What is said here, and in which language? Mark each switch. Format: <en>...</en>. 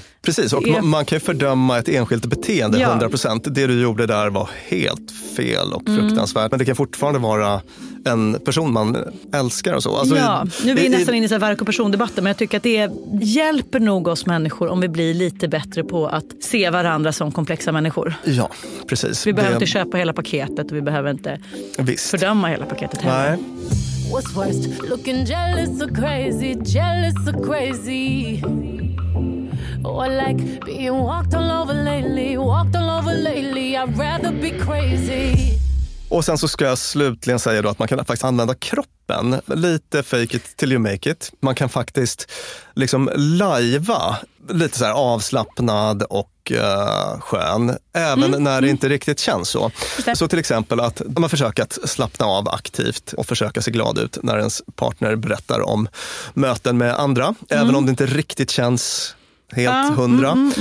<sv>Precis, och man kan ju fördöma ett enskilt beteende 100%, det du gjorde där var helt fel och fruktansvärt, men det kan fortfarande vara en person man älskar och så. Alltså, nu är vi nästan inne i verk- och persondebatten, men jag tycker att det hjälper nog oss människor om vi blir lite bättre på att se varandra som komplexa människor. Ja, precis. Vi behöver inte köpa hela paketet, och vi behöver inte fördöma hela paketet heller. Nej.</sv> <en>What's worst, looking jealous or crazy, jealous or crazy? Or like being walked all over lately, walked all over lately, I'd rather be crazy.</en> <sv>Och sen så ska jag slutligen säga då att man kan faktiskt använda kroppen, lite</sv> <en>fake it till you make it.</en> <sv>Man kan faktiskt liksom lajva lite så här avslappnad och skön, även när det inte riktigt känns så. Så till exempel att man försöker att slappna av aktivt och försöka se glad ut när ens partner berättar om möten med andra, även om det inte riktigt känns helt hundra.</sv>